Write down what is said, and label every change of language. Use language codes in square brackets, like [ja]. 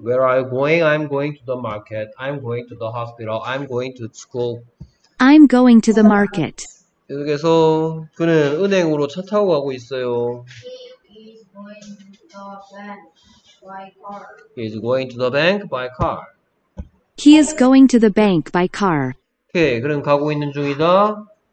[en] Where are you going? I'm going to the market. I'm going to the hospital. I'm going to school. I'm going to the market. [ko] 계속해서 그는 은행으로 차 타고 가고 있어요. [en] He is going to the bank by car. He is going to the bank by car. [ko] 오케이, 그럼 가고 있는 중이다.